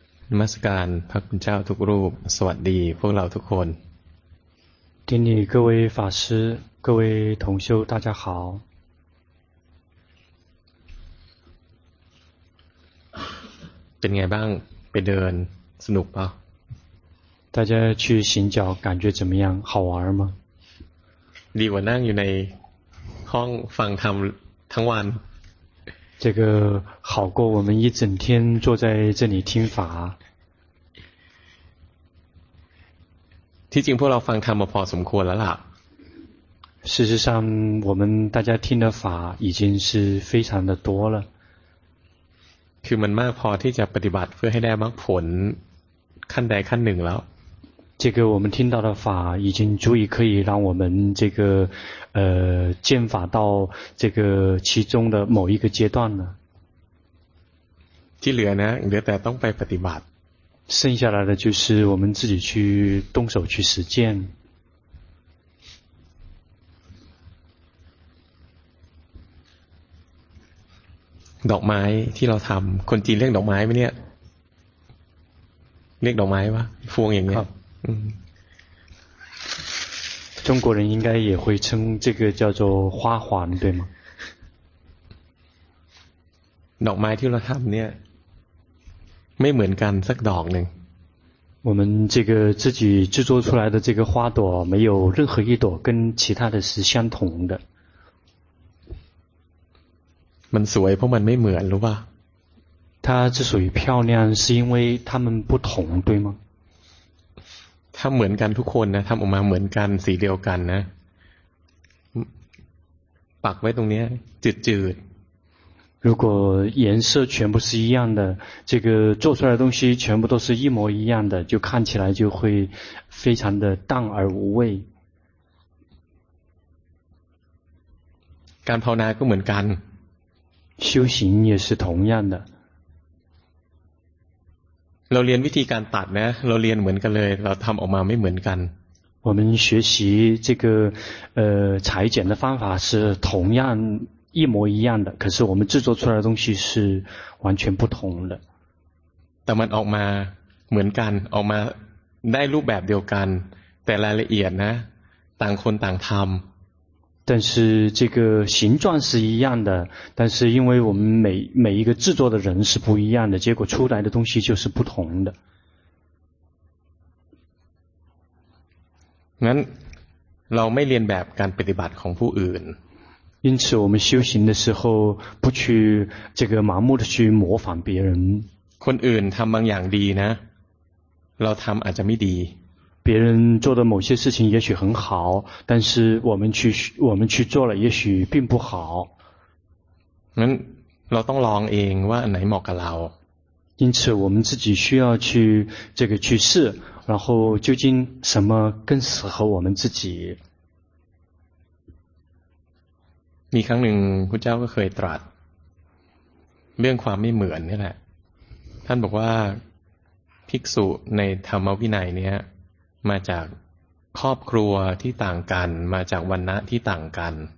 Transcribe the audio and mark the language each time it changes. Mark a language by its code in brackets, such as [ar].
[th] นมัสการพระคุณเจ้าทุกรูปสวัสดีพวกเราทุกคน ที่นี่ [zh] 各位法师各位同修大家好 [th] เป็นไงบ้างไปเดินสนุกป่ะ [zh] 大家去行脚感觉怎么样好玩吗 [th] ดีกว่านั่งอยู่ในห้องฟังธรรมทั้งวัน [zh] 这个好过我们一整天坐在这里听法 [th] ที่จริงพวกเราฟังธรรมมาพอสมควรแล้วล่ะ [zh] 事实上我们大家听的法已经是非常的多了 [th] คือมันมากพอที่จะปฏิบัติเพื่อให้ได้มรรคผลขั้นใดขั้นหนึ่งแล้ว [zh] 这个我们听到的法已经足以可以让我们这个见法到这个其中的某一个阶段了 [th] ที่เหลือนะเหลือแต่ต้องไปปฏิบัติ [zh] 剩下来的就是我们自己去动手去实践。 [th] ดอกไม้ที่เราทำคนจีนเรียกดอกไม้ไหมเนี่ยเรียกดอกไม้ปะพวงอย่างเงี้ย [zh] 中国人应该也会称这个叫做花环对吗？ [th] ดอกไม้ที่เราทำเนี่ยไม่เหมือนกันสักดอกหนึ่ง [zh] 我们这个自己制作出来的这个花朵没有任何一朵跟其他的是相同的 [th] มันสวยเพราะมันไม่เหมือนรู้ป่ะ [zh] 它之所以漂亮是因为它们不同对吗 [th] ถ้าเหมือนกันทุกคนนะทำออกมาเหมือนกันสีเดียวกันนะปักไว้ตรงนี้จืดจืด [zh] 如果颜色全部是一样的，这个做出来的东西全部都是一模一样的，就看起来就会非常的淡而无味。 [th] การภาวนาก็เหมือนกัน [zh] 修行也是同样的。 [th] เราเรียนวิธีการตัดนะเราเรียนเหมือนกันเลยเราทำออกมาไม่เหมือนกัน [zh] 我们学习这个裁剪的方法是同样一模一样的，可是我们制作出来的东西是完全不同的。但它 [th] ออกมาเหมือนกันออกมาได้รูปแบบเดียวกันแต่รายละเอียดนะต่างคนต่างทำ [zh] 但是这个形状是一样的，但是因为我们每一个制作的人是不一样的，结果出来的东西就是不同的。 [th] งั้นเราไม่เรียนแบบการปฏิบัติของผู้อื่น [zh] 因此我们修行的时候不去这个盲目的去模仿别人 [th] คนอื่นทำบางอย่างดีนะเราทำอาจจะไม่ดี [zh] 别人做的某些事情也许很好但是我们去做了也许并不好 [th] งั้นเราต้องลองเองว่าอันไหนเหมาะกับเรา [zh] 因此我们自己需要去这个去试然后究竟什么更适合我们自己 [th] มีครั้งหนึ่งพระเจ้าก็เคยตรัสเรื่องความไม่เหมือนนี่แหละท่านบอกว่าภิกษุในธรรมวินัยเนี้ยมาจากครอบครัวที่ต่างกันมาจากวรรณะที่ต่างกัน